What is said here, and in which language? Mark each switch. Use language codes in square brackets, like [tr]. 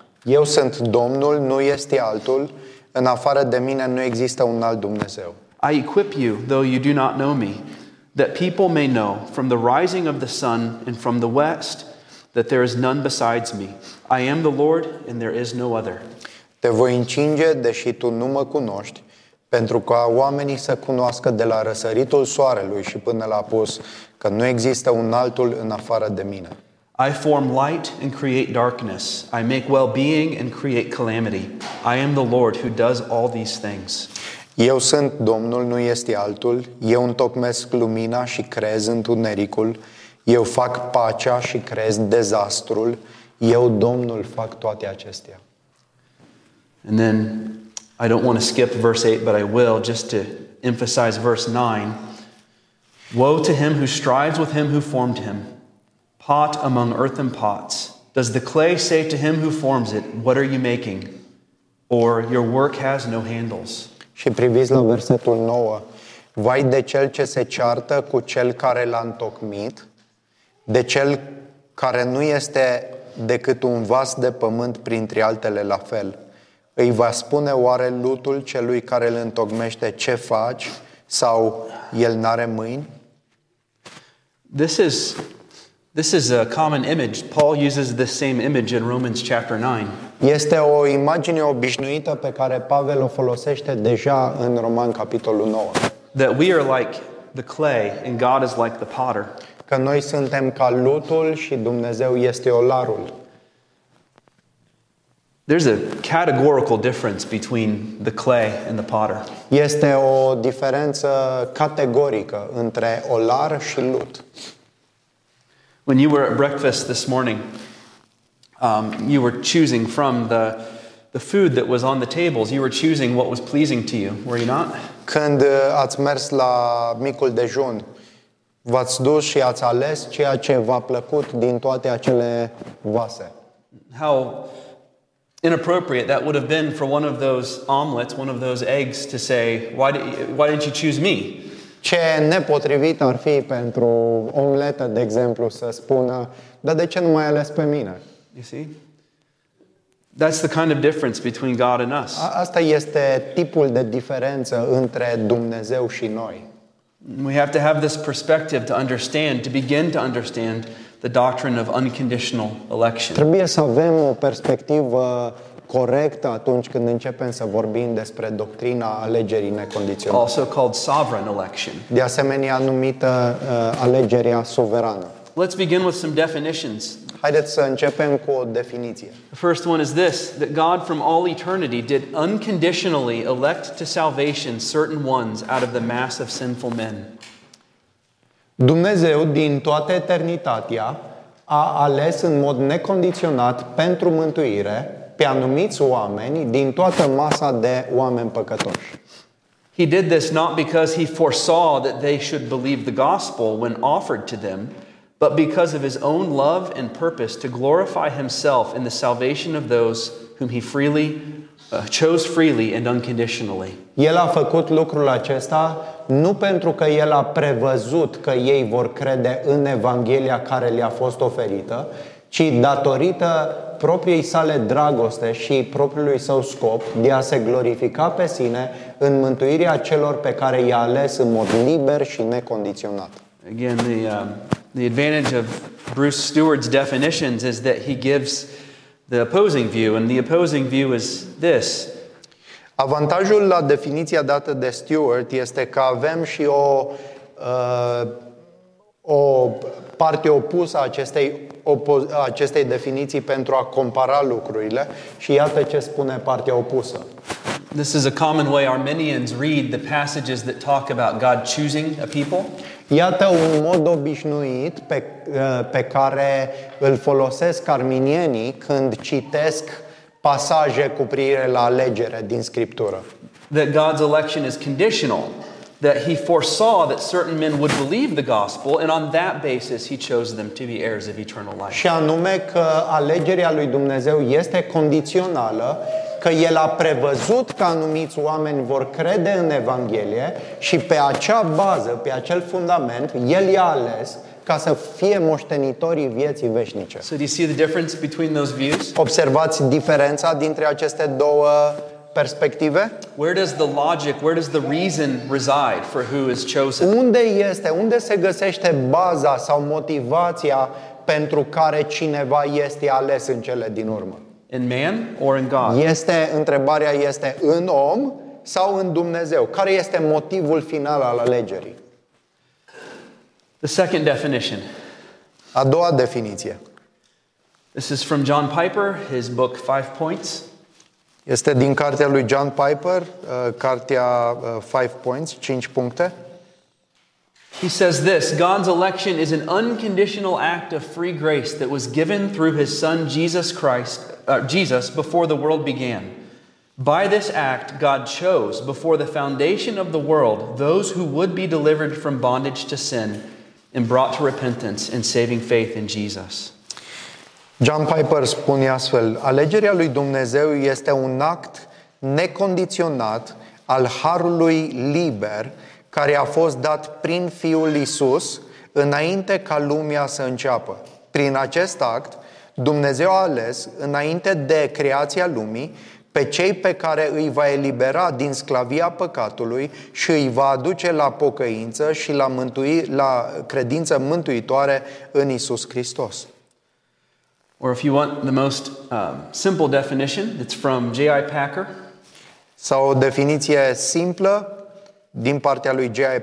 [ro] Eu sunt Domnul, nu este altul. În afară de mine nu există un alt Dumnezeu. [en] I equip you, though you do not know me, that people may know from the rising of the sun and from the west that there is none besides me. I am the Lord, and there is no other. [ro] Te voi încinge, deși tu nu mă cunoști, pentru ca oamenii să cunoască de la răsăritul soarelui și până la apus că nu există un altul în afară de mine. [en] I form light and create darkness. I make well-being and create calamity. I am the Lord who does all these things. [ro] Eu sunt Domnul, nu este altul. Eu întocmesc lumina și creez întunericul. Eu fac pacea și creez dezastrul. Eu, Domnul, fac toate acestea. [en] And then I don't want to skip verse 8, but I will just to emphasize verse 9. Woe to him who strives with him who formed him, pot among earthen pots. Does the clay say to him who forms it, what are you making? Or your work has no handles. [ro] Și priviți la versetul 9. Vai de cel ce se ceartă cu cel care l-a întocmit, de cel care nu este decât un vas de pământ printre altele la fel. Îi va spune oare lutul celui care îl întocmește ce faci sau el n-are mâini? [en] This is a common image. Paul uses the same image in Romans chapter 9. [ro] Este o imagine obișnuită pe care Pavel o folosește deja în Roman capitolul 9. [en] That we are like the clay and God is like the potter. [ro] Că noi suntem ca lutul și Dumnezeu este olarul. [en] There's a categorical difference between the clay and the potter. [ro] Este o diferență categorică între olar și lut. [en] When you were at breakfast this morning, you were choosing from the the food that was on the tables, you were choosing what was pleasing to you, were you not? [ro] Când ați mers la micul dejun, v-ați dus și ați ales ceea ce v-a plăcut din toate acele vase. [en] How inappropriate that would have been for one of those omelets, one of those eggs, to say, why didn't you choose me? [ro] Ce nepotrivit ar fi pentru omletă, de exemplu, să spună, dar de ce nu m-ai ales pe mine? [en] You see? That's the kind of difference between God and us. [ro] Asta este tipul de diferență între Dumnezeu și noi. [en] We have to have this perspective to understand, to begin to understand the doctrine of unconditional election. [ro] Trebuie să avem o perspectivă corectă atunci când începem să vorbim despre doctrina alegerii necondiționate. [en] Also called sovereign election. [ro] De asemenea numită alegerea suverană. [en] Let's begin with some definitions. [ro] Haideți să începem cu o definiție. [en] The first one is this, that God from all eternity did unconditionally elect to salvation certain ones out of the mass of sinful men. [ro] Dumnezeu din toată eternitatea a ales în mod necondiționat pentru mântuire pe anumiți oameni din toată masa de oameni păcătoși. [en] He did this not because he foresaw that they should believe the gospel when offered to them, but because of his own love and purpose to glorify himself in the salvation of those whom he freely chose freely and unconditionally. [ro] El a făcut lucrul acesta nu pentru că el a prevăzut că ei vor crede în evanghelia care le-a fost oferită, ci datorită propriei sale dragoste și propriului său scop de a se glorifica pe sine în mântuirea celor pe care i-a ales în mod liber și necondiționat. [en] Again, the advantage of Bruce Stewart's definitions is that he gives the opposing view, and the opposing view is this. [ro] Avantajul la definiția dată de Stewart este că avem și o parte opusă a acestei definiții pentru a compara lucrurile, și iată ce spune partea opusă. [en] This is a common way Arminians read the passages that talk about God choosing a people. [ro] Iată un mod obișnuit pe care îl folosesc arminienii când citesc pasaje cu privire la alegere din Scriptură. [en] That God's election is conditional, that he foresaw that certain men would believe the gospel and on that basis he chose them to be heirs of eternal life. [ro] Și anume că alegerea lui Dumnezeu este condițională, că el a prevăzut că anumiți oameni vor crede în Evanghelie și pe acea bază, pe acel fundament, el i-a ales ca să fie moștenitorii vieții veșnice. [en] So do you see the difference between those views? [ro] Observați diferența dintre aceste două perspective? [en] Where does the logic, where does the reason reside for who is chosen? [ro] Unde se găsește baza sau motivația pentru care cineva este ales în cele din urmă? [en] In man or in God? [ro] Întrebarea este în om sau în Dumnezeu? Care este motivul final al alegerii? [en] The second definition. [ro] A doua definiție. [en] This is from John Piper, his book Five Points. [ro] Este din cartea lui John Piper, cartea Five Points, 5 puncte. [en] He says this, God's election is an unconditional act of free grace that was given through his son Jesus Christ, Jesus before the world began. By this act God chose before the foundation of the world those who would be delivered from bondage to sin and brought to repentance and saving faith in Jesus. [ro] John Piper spune astfel, alegerea lui Dumnezeu este un act necondiționat al harului liber care a fost dat prin Fiul Iisus înainte ca lumea să înceapă. Prin acest act, Dumnezeu a ales, înainte de creația lumii, pe cei pe care îi va elibera din sclavia păcatului și îi va aduce la pocăință și la credință mântuitoare în Iisus Hristos. [en] Or if you want the most simple definition, it's from J.I. Packer. [ro] Sau o definiție simplă din partea lui J.I.